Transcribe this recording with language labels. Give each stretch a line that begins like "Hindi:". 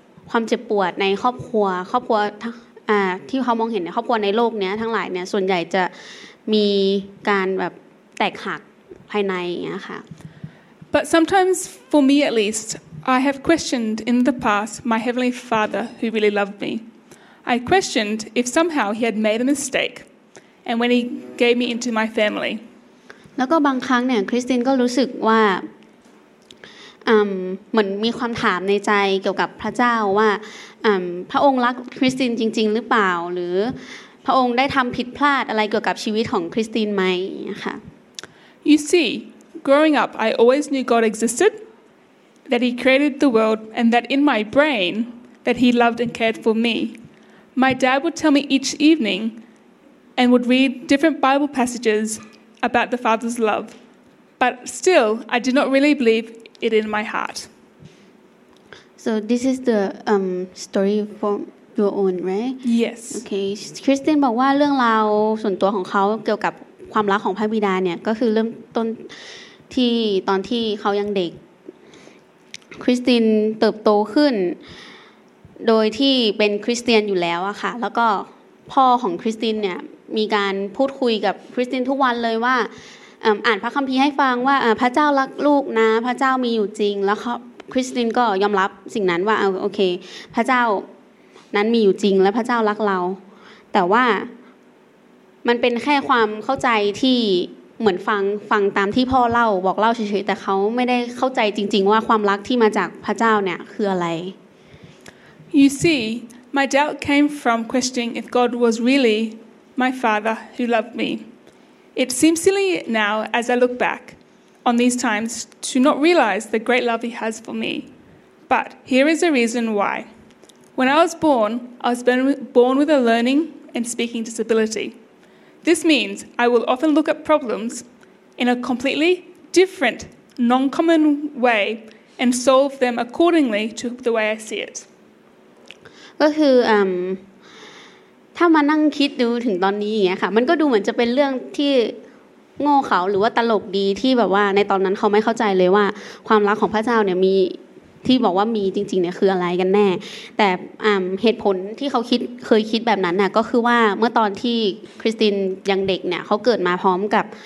Thai: ความเจ็บปวดในครอบครัวครอบครัวที่เขามองเห็นครอบครัวในโลกนี้ทั้งหลายเนี่ยส่วนใหญ่จะมีการแบบแตกหักภายในเงี้ยค่ะ
English: But sometimes for me at least I have questioned in the past my heavenly Father who really loved meI questioned if somehow he had made a mistake and when he gave me into my family.
Thai: แล้วก็บางครั้งเนี่ยคริสตินก็รู้สึกว่าเหมือนมีความถามในใจเกี่ยวกับพระเจ้าว่าพระองค์รักคริสตินจริงๆหรือเปล่าหรือพระองค์ได้ทําผิดพลาดอะไรเกี่ยวกับชีวิตของคริสตินมั้ยค่ะ
English: You see, growing up I always knew God existed that he created the world and that in my brain that he loved and cared for meMy dad would tell me each evening and would read different Bible passages about the Father's love. But still, I did not really believe it in my heart. So this is the story from your own, right? Yes. Okay.
Thai: Christine บอกว่าเรื่องราวส่วนตัวของเขาเกี่ยวกับความรักของพระบิดาเนี่ยก็คือเริ่มต้นที่ตอนที่เขายังเด็ก Christine เติบโตขึ้นโดยที่เป็นคริสเตียนอยู่แล้วอะค่ะแล้วก็พ่อของคริสตินเนี่ยมีการพูดคุยกับคริสตินทุกวันเลยว่าอ่านพระคัมภีร์ให้ฟังว่าพระเจ้ารักลูกนะพระเจ้ามีอยู่จริงแล้วคริสตินก็ยอมรับสิ่งนั้นว่าโอเคพระเจ้านั้นมีอยู่จริงและพระเจ้ารักเราแต่ว่า มันเป็นแค่ความเข้าใจที่เหมือนฟังตามที่พ่อเล่าบอกเล่าเฉยๆแต่เขาไม่ได้เข้าใจจริงๆว่าความรักที่มาจากพระเจ้าเนี่ยคืออะไร
English: You see, my doubt came from questioning if God was really my father who loved me. It seems silly now as I look back on these times to not realize the great love he has for me. But here is a reason why. When I was born with a learning and speaking disability. This means I will often look at problems in a completely different, non-common way and solve them accordingly to the way I see it.
Thai: ก็คือถ้ามานั่งคิดดูถึงตอนนี้อย่างเงี้ยค่ะมันก็ดูเหมือนจะเป็นเรื่องที่โง่เขลาหรือว่าตลกดีที่แบบว่าในตอนนั้นเขาไม่เข้าใจเลยว่าความรักของพระเจ้าเนี่ยมีที่บอกว่ามีจริงๆเนี่ยคืออะไรกันแน่แต่เหตุผลที่เคยคิดแบบนั้นน่ะก็คือว่าเมื่อตอนที่คริสตินยังเด็กเนี่ยเขาเกิดมาพร้อมกับ